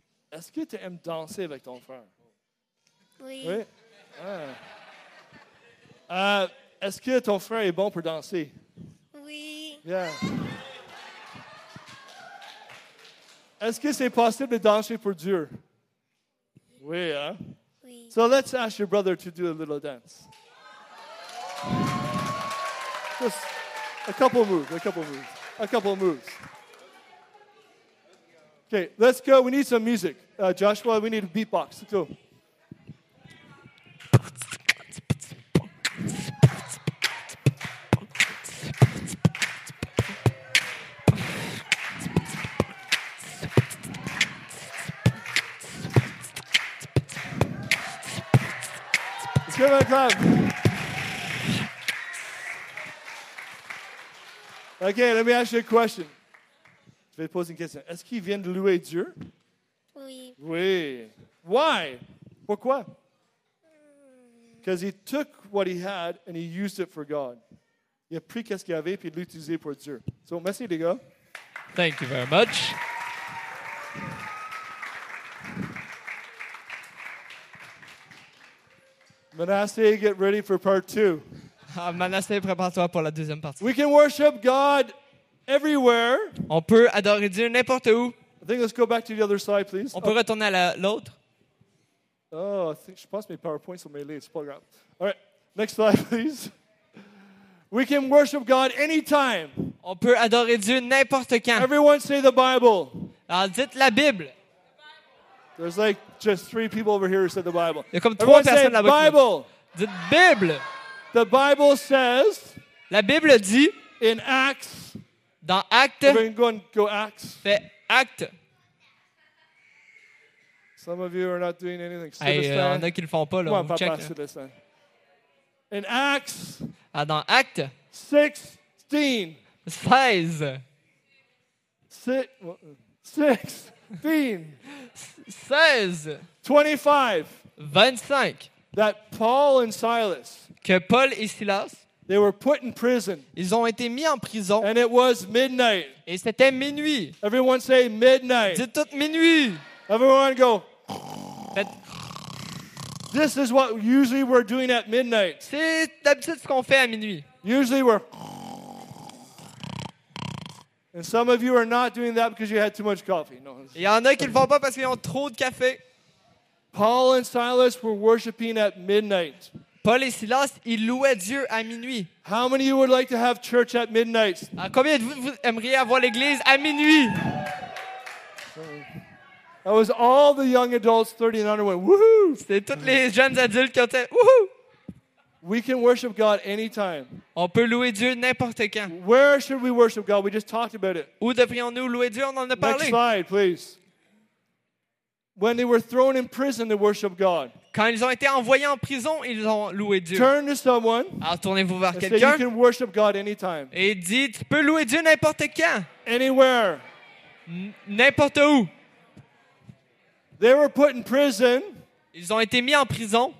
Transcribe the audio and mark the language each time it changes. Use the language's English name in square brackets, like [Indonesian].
[French] Est-ce que tu aimes danser avec ton frère? Oui. Oui? Ah. Est-ce que ton frère est bon pour danser? Oui. [English] Yeah. [French] Est-ce que c'est possible de danser pour Dieu? Oui, hein? Oui. [English] So let's ask your brother to do a little dance. Just a couple moves. Okay, let's go. We need some music. Joshua, we need a beatbox. Let's go. Give a clap. Okay, let me ask you a question. [French] Je vais poser une question. Est-ce qu'il vient de louer Dieu? Oui. Oui. [English] Why? [French] Pourquoi? [English] Because he took what he had and he used it for God. [French] Il a pris qu'est-ce qu'il avait puis l'a utilisé pour Dieu. So, merci, les gars. [English] Thank you very much. Manasseh, get ready for part two. [French] Manasseh, prépare-toi pour la deuxième partie. [English] We can worship God everywhere. [French] On peut adorer Dieu n'importe où. [English] I think let's go back to the other side, please. [French] On peut retourner à l'autre. [English] Oh, I think, [French] je pense que mes PowerPoints sont mêlés. C'est pas grave. [English] All right, next slide, please. We can worship God anytime. [French] On peut adorer Dieu n'importe quand. [English] Everyone say the Bible. [French] Alors, dites la Bible. [English] There's like just three people over here who said the Bible. [French] Il y a comme trois personnes là-bas. [English] Everyone say Bible. The Bible. The Bible says. [French] La Bible dit. [English] In Acts. [French] Dans Actes. [English] We're going to go Acts. [French] Fait Actes. [English] Some of you are not doing anything. [French] Hey, il y en a qui le font pas là. Ouais, check. [English] In Acts. [French] Ah, dans Actes. 16. 16. Six. 16. 16. [English] 25. That Paul and Silas. [French] Que Paul et Silas. [English] They were put in prison. [French] Ils ont été mis en prison. [English] And it was midnight. [French] Et c'était minuit. [English] Everyone say midnight. [French] Dites tout minuit. [English] Everyone go. This is what usually we're doing at midnight. [French] C'est d'habitude ce qu'on fait à minuit. [English] Usually we're. And some of you are not doing that because you had too much coffee. No. [French] Il y en a qui le font pas parce qu'ils ont trop de café. [English] Paul and Silas were worshiping at midnight. [French] Paul et Silas, ils louaient Dieu à minuit. [English] How many of you would like to have church at midnight? [French] À combien de vous aimeriez avoir l'église à minuit? [English] That was all the young adults 30 and under went woohoo. [French] C'était toutes les jeunes adultes qui ont fait woohoo. [English] We can worship God anytime. [French] On peut louer Dieu n'importe quand. [English] Where should we worship God? We just talked about it. [French] Où devrions-nous louer Dieu? On en a parlé. [English] Next slide, please. When they were thrown in prison to worship God. [French] Quand ils ont été envoyés en prison, ils ont loué Dieu. [English] Turn to someone. [French] Alors tournez-vous vers quelqu'un. [English] Say you can worship God anytime. [French] Et dites, tu peux louer Dieu n'importe quand. [English] Anywhere. [French] N'importe où. [English] They were put in prison. [French] Ils ont été mis en prison.